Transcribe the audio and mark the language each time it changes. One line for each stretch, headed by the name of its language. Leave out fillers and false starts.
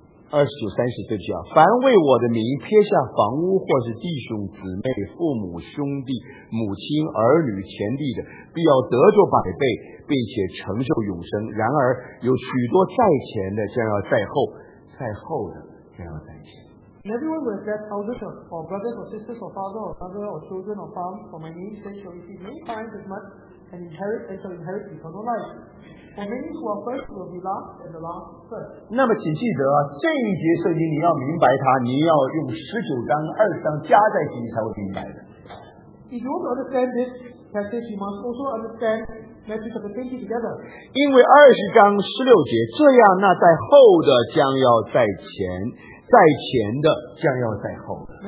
Chinese: 二十九三十这句啊，凡为我的名撇下房屋或是弟兄姊妹父母兄弟母亲儿女田地的，必要得着百倍，并且承受永生。然而有许多在前的将要在后，在后的将要在前。
English: And everyone who has left houses or brothers or sisters or father or mother or children or farm for my name's sake shall receive many times as much and inherit and shall inherit eternal life. For many who are first will be last and the last first.
Chinese: 那么请记得啊，这一节圣经你要明白它，你要用十九章、二十章加在一起才会明白的。
English: If you want to understand this passage, you must also understand.
Chinese: 因为二十章十六节，这样那在后的将要在前，在前的将要在后。